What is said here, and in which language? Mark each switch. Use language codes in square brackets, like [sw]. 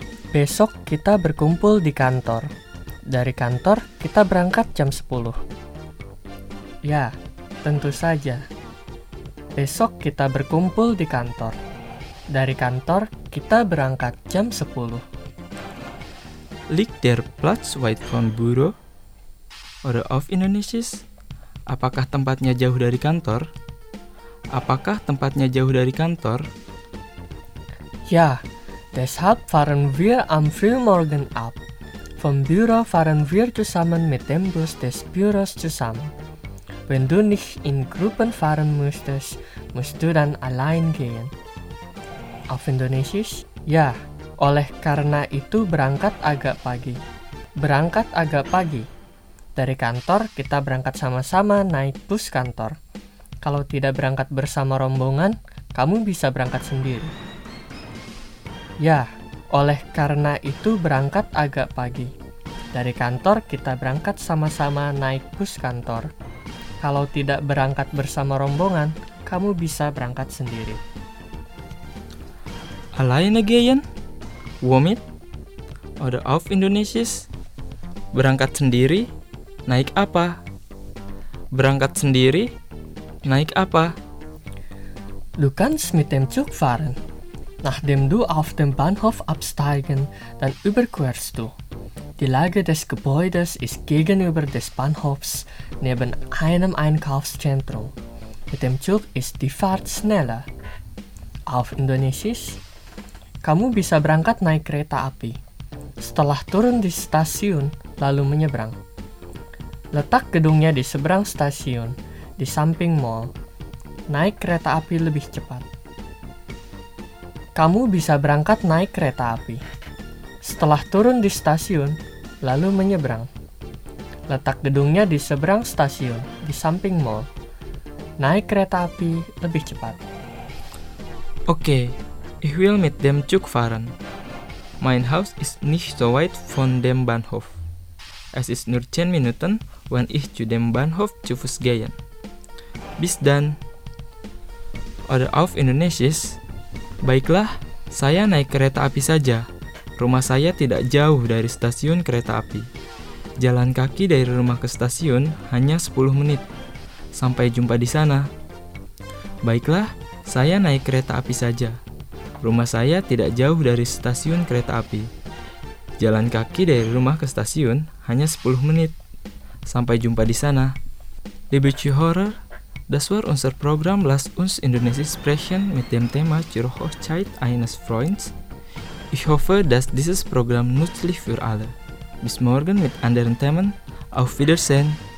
[id] Besok kita berkumpul di kantor. Dari kantor kita berangkat jam 10. Ya, tentu saja. Besok kita berkumpul di kantor. Dari kantor kita berangkat jam 10. [de] Liegt der Platz weit vom Büro? Oder auf Indonesisch? [id] Apakah tempatnya jauh dari kantor? Apakah tempatnya jauh dari kantor? [de] Ja, deshalb fahren wir am Frühmorgen ab. Vom Büro fahren wir zusammen mit dem Bus des Büros zusammen. Wenn du nicht in Gruppen fahren müsstest, musst du dann allein gehen. Auf Indonesisch? Ja, [id] oleh karena itu berangkat agak pagi. Berangkat agak pagi. Dari kantor, kita berangkat sama-sama naik bus kantor. Kalau tidak berangkat bersama rombongan, kamu bisa berangkat sendiri. Ya, oleh karena itu berangkat agak pagi. Dari kantor, kita berangkat sama-sama naik bus kantor. Kalau tidak berangkat bersama rombongan, kamu bisa berangkat sendiri. [de] Alleine gehen? Womit? Oder auf Indonesisch? [id] Berangkat sendiri? Naik apa? Berangkat sendiri? Naik apa? [de] Du kannst mit dem Zug fahren, nachdem du auf dem Bahnhof absteigen, dann überquerst du. Die Lage des Gebäudes ist gegenüber des Bahnhofs, neben einem Einkaufszentrum. Mit dem Zug ist die Fahrt schneller. Auf Indonesisch? [id] Kamu bisa berangkat naik kereta api. Setelah turun di stasiun, lalu menyeberang. Letak gedungnya di seberang stasiun, di samping mall. Naik kereta api lebih cepat. kamu bisa berangkat naik kereta api. Setelah turun di stasiun, lalu menyeberang. Letak gedungnya di seberang stasiun, di samping mall. Naik kereta api lebih cepat. [de] Oke, ich will mit dem Zug fahren. Mein Haus ist nicht so weit von dem Bahnhof. Es ist nur 10 Minuten, wenn ich zu dem Bahnhof zu Fuß gehe. Bis dann. Oder auf Indonesisch. [id] Baiklah, saya naik kereta api saja. Rumah saya tidak jauh dari stasiun kereta api. Jalan kaki dari rumah ke stasiun hanya 10 menit. Sampai jumpa di sana. Baiklah, saya naik kereta api saja. Rumah saya tidak jauh dari stasiun kereta api. Jalan kaki dari rumah ke stasiun hanya 10 menit. Sampai jumpa di sana. [de] Liebe Zuhörer, das war unser Programm Lass uns Indonesisch sprechen mit dem Thema Zur Hochzeit eines Freunds. Ich hoffe, dass dieses Programm nützlich für alle. Bis morgen mit anderen Themen. Auf Wiedersehen.